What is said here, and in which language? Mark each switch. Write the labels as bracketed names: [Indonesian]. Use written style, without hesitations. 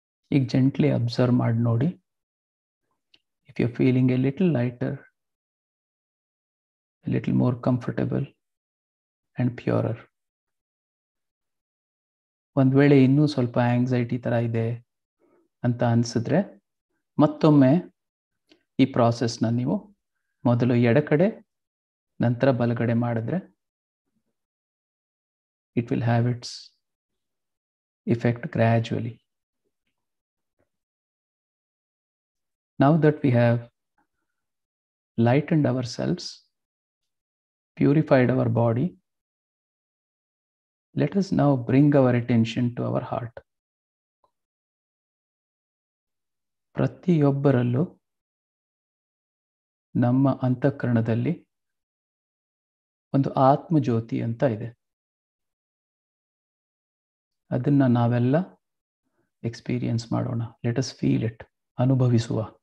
[English] Ig gently observe [Kannada] mad nodi. [English] If you're feeling a little lighter, a little more comfortable and purer. [Kannada] ಒಂದ್ ವೇಳೆ ಇನ್ನೂ ಸ್ವಲ್ಪ anxiety ತರ ಇದೆ ಅಂತ ಅನ್ಸಿದ್ರೆ ಮತ್ತೊಮ್ಮೆ ಈ ಪ್ರಾಸೆಸ್ನ ನೀವು ಮೊದಲು ಎಡಕಡೆ ನಂತರ ಬಲಗಡೆ ಮಾಡಿದ್ರೆ [English] It will have its effect gradually. Now that we have light and ourselves, purified our body, let us now bring our attention to our heart. [Kannada] ಪ್ರತಿಯೊಬ್ಬರಲ್ಲೂ ನಮ್ಮ ಅಂತಃಕರಣದಲ್ಲಿ ಒಂದು ಆತ್ಮಜ್ಯೋತಿ ಅಂತ ಇದೆ. ಅದನ್ನ ನಾವೆಲ್ಲ ಎಕ್ಸ್ಪೀರಿಯನ್ಸ್ ಮಾಡೋಣ. [English] let us feel it, [Kannada] ಅನುಭವಿಸುವ.